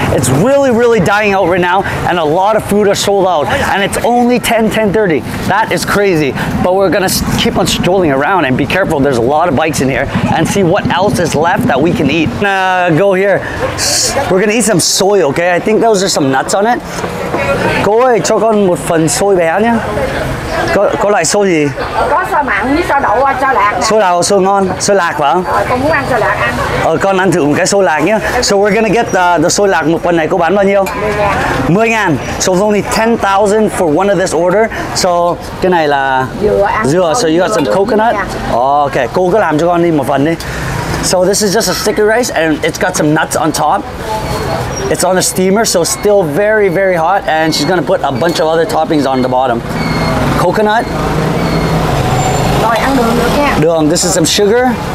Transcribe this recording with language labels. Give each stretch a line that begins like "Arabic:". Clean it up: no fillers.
English: It's really, really dying out right now and a lot of food are sold out and it's only 10:30. That is crazy. But we're gonna keep on strolling around and be careful. There's a lot of bikes in here and see what else is left that we can eat. Go here. We're gonna eat some soy, okay? I think those are some nuts on it.
Vietnamese: Cô ơi, cho con một phần xôi bé nhé. Có loại xôi gì? Có xôi mặn với xôi đậu, xôi lạc. Xôi đậu, xôi ngon, xôi lạc phải không? Con muốn ăn xôi lạc ăn. Con ăn thử một cái xôi lạc nhé.
English: So we're gonna get the
Vietnamese: xôi lạc một phần này, cô bán bao nhiêu? 10,000.
English: So it's only 10,000 for one of this order.
Vietnamese: So cái này là dừa.
English: So you got some coconut.
Vietnamese: Oh, okay, cô cứ làm cho con đi một phần đi.
English: So this is just a sticky rice and it's got some nuts on top. It's on a steamer, so still very, very hot. And she's gonna put a bunch of other toppings on the bottom. Coconut. Đường, this is some sugar.